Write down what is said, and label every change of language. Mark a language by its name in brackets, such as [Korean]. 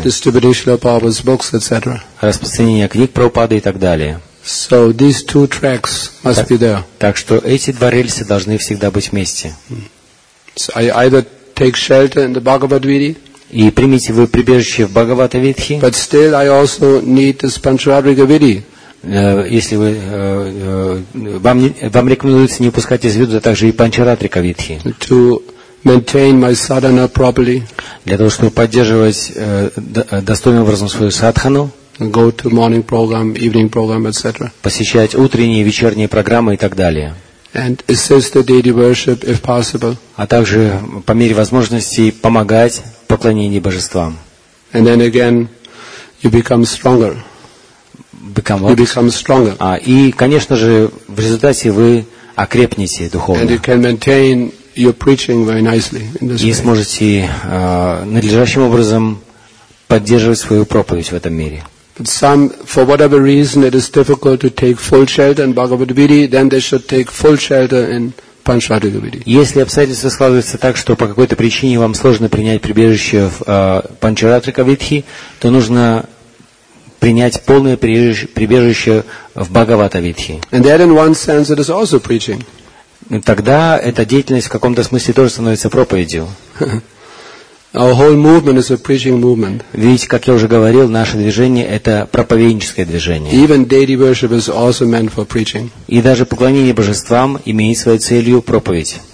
[English] Distributing Srila Prabhupada's books, etc. [Russian] Распространение книг Прабхупады и так далее. [English] So these two tracks must be there. [Russian] Так что эти два рельсы должны всегда быть вместе. [English] So I either take shelter in the Bhagavad Vidhi. [Russian] И примите вы прибежище в Бхагавата Видхи. [English] But still, I also need the Pancharatrika Vidhi. [Russian] Если вы вам рекомендуется не упускать из виду также и Pancharatrika Vidhi. [English] To maintain my sadhana properly. [Russian] Для того чтобы поддерживать достойным образом свою садхану. [English] Go to morning program, evening program, etc. [Russian] Посещать утренние, вечерние программы и так далее. [English] And assist the deity worship if possible. [Russian] А также по мере возможности помогать в поклонении божествам. [English] And then again, you become stronger. Become what? You become stronger. [Russian] А и, конечно же, в результате вы окрепнете духовно. [English] And you can maintain your preaching very nicely in this. [Russian] И сможете надлежащим образом поддерживать свою проповедь в этом мире. [English] But some, for whatever reason, it is difficult to take full shelter in Bhagavad Vidhi, then they should take full shelter in Pancharatrika Vidhi. [Russian] Если обстоятельства складываются так, что по какой-то причине вам сложно принять прибежище в Pancharatrika Vidhi, то нужно принять полное прибежище в Бхагавата Видхи. [English] And that, in one sense, it is also preaching. [Russian] Тогда эта деятельность в каком-то смысле тоже становится проповедью. [English] Our whole movement is a preaching movement. [Russian] Ведь, как я уже говорил, наше движение это проповедническое движение. [English] Even deity worship is also meant for preaching. [Russian] И даже поклонение божествам имеет своей целью проповедь.